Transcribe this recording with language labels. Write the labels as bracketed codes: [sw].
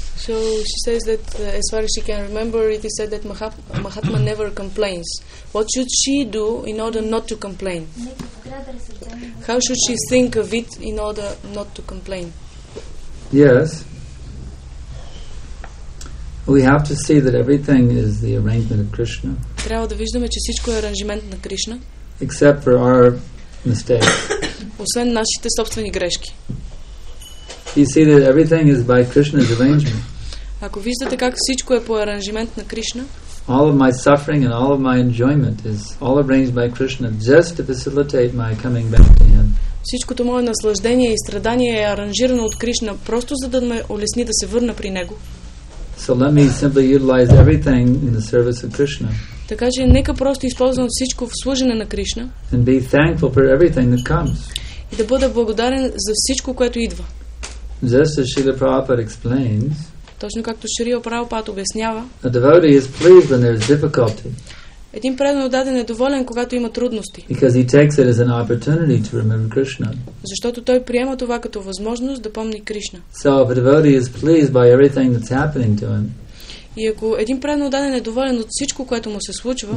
[en] So she says that as far as she can remember, it is said that Mahatma never complains. What should she do in order not to complain? Make How should she think of it in order not to complain? Yes. We have to see that everything is the arrangement of Krishna. [bg] Трябва да виждаме, че всичко е аранжимент на Кришна. [en] Except for our mistakes. [bg] Освен нашите собствени грешки. [en] You see that everything is by Krishna's arrangement. [bg] Ако виждате как всичко е по аранжимент на Кришна. [en] All of my suffering and all of my enjoyment is all arranged by Krishna just to facilitate my coming back to him. [bg] Всичкото мое наслаждение и страдание е аранжирано от Кришна просто за да ме улесни да се върна при него. [en] So let me simply utilize everything in the service of Krishna. [bg] Така че нека просто използвам всичко в служене на Кришна. [en] And be thankful for everything that comes. [bg] И да бъда благодарен за всичко, което идва. [en] Just as Srila Prabhupada explains, [bg] точно както Шрила Прабхупад обяснява, [en] a devotee is pleased when there is difficulty. [bg] Един преданно даден е доволен, когато има трудности. [en] Because he takes it as an opportunity to remember Krishna. [bg] Защото той приема това като възможност да помни Кришна. [en] So if a devotee is pleased by everything that's happening to him, [bg] и ако един преданно даден е доволен от всичко, което му се случва,